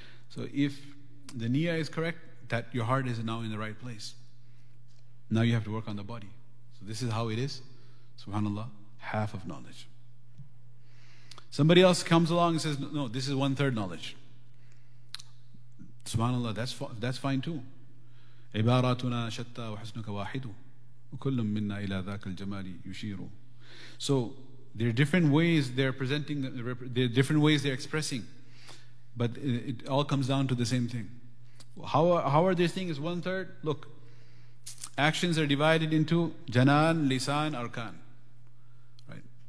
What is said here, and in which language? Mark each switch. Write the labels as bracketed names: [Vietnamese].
[English] So if the niyyah is correct, that your heart is now in the right place. Now you have to work on the body. So this is how it is. Subhanallah, half of knowledge. Somebody else comes along and says, no, this is 1/3 knowledge. Subhanallah, that's fine too. [Arabic] عباراتنا شتى وحسنك واحد وكل منا إلى ذاك الجمال يشير. [English] So there are different ways they're presenting, there are different ways they're expressing, but it all comes down to the same thing. How are they saying is 1/3? Look, actions are divided into janan, lisan, arkan, right?